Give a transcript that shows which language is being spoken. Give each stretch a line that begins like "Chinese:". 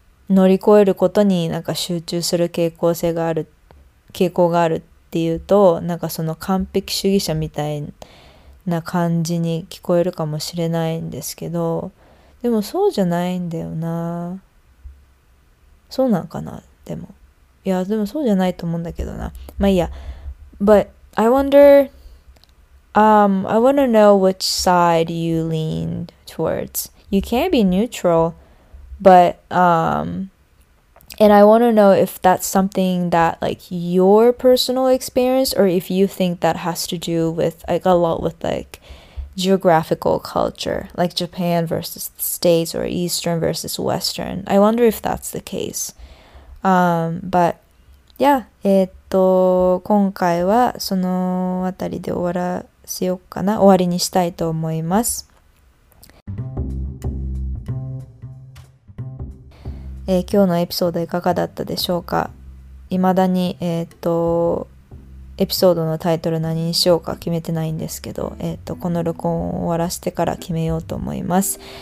Japanese: 乗り越えることになんか集中する傾向があるっていうと、なんかその完璧主義者みたいな感じに聞こえるかもしれないんですけど、でもそうじゃないんだよな。そうなんかな、でも。いや、でもそうじゃないと思うんだけどな。まあいいや。
English: But I wanna know which side you lean towards. You can't be neutral, but and I wanna know if that's something that like your personal experience, or if you think that has to do with like a lot with like geographical culture, like Japan versus the States or Eastern versus Western. I wonder if that's the case. But yeah,
Japanese: 今回はそのあたりで終わらせようかな。終わりにしたいと思います。今日のエピソードいかがだったでしょうか。いまだに、エピソードのタイトル何にしようか決めてないんですけど、この録音を終わらせてから決めようと思います。